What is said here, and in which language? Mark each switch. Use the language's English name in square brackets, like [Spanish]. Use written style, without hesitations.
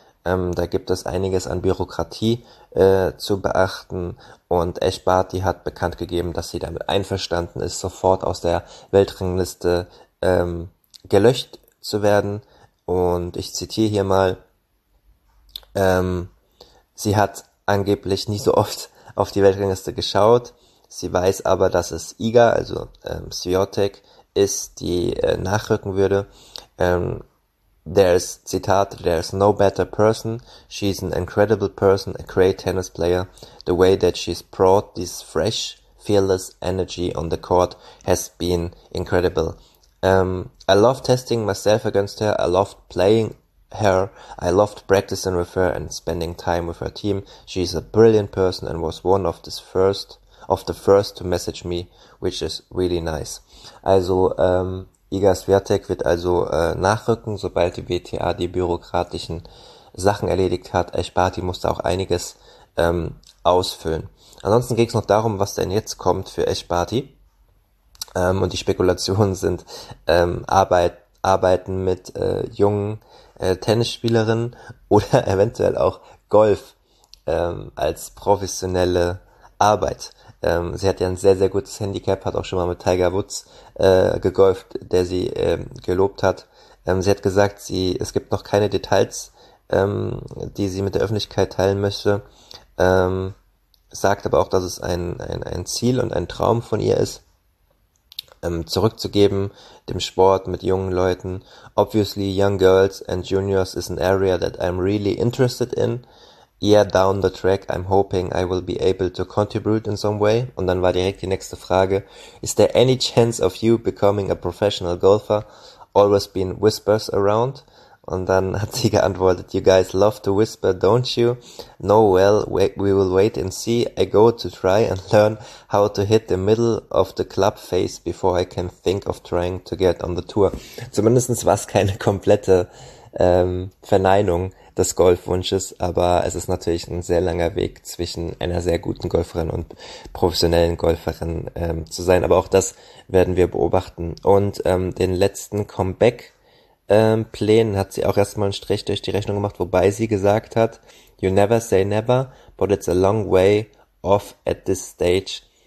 [German] Da gibt es einiges an Bürokratie zu beachten und Esbati hat bekannt gegeben, dass sie damit einverstanden ist, sofort aus der Weltrangliste gelöscht zu werden. Und ich zitiere hier mal, sie hat angeblich nie so oft auf die Weltrangliste geschaut, sie weiß aber, dass es IGA, also Swiatek, ist, die nachrücken würde. [English] There's no better person. She's an incredible person, a great tennis player. The way that she's brought this fresh, fearless energy on the court has been incredible. I love testing myself against her. I loved playing her. I loved practicing with her and spending time with her team. She's a brilliant person and was one of the first to message me, which is really nice. [German] Also, Iga Swiatek wird also nachrücken, sobald die WTA die bürokratischen Sachen erledigt hat. Esbati musste auch einiges ausfüllen. Ansonsten geht es noch darum, was denn jetzt kommt für Eschparty. Und die Spekulationen sind Arbeiten mit jungen Tennisspielerinnen oder eventuell auch Golf als professionelle Arbeit. Sie hat ja ein sehr, sehr gutes Handicap, hat auch schon mal mit Tiger Woods gegolft, der sie gelobt hat. Sie hat gesagt, es gibt noch keine Details, die sie mit der Öffentlichkeit teilen möchte. Sagt aber auch, dass es ein Ziel und ein Traum von ihr ist, zurückzugeben dem Sport mit jungen Leuten. [English] Obviously, young girls and juniors is an area that I'm really interested in. Yeah, down the track, I'm hoping I will be able to contribute in some way. [German] Und dann war direkt die nächste Frage: [English] Is there any chance of you becoming a professional golfer? Always been whispers around. [German] Und dann hat sie geantwortet: [English] You guys love to whisper, don't you? No, well, we will wait and see. I go to try and learn how to hit the middle of the club face before I can think of trying to get on the tour. [German] Zumindest war es keine komplette Verneinung des Golfwunsches, aber es ist natürlich ein sehr langer Weg zwischen einer sehr guten Golferin und professionellen Golferin zu sein. Aber auch das werden wir beobachten. Und den letzten Comeback Plänen hat sie auch erstmal einen Strich durch die Rechnung gemacht, wobei sie gesagt hat, [English] you never say never, but it's a long way off at this stage.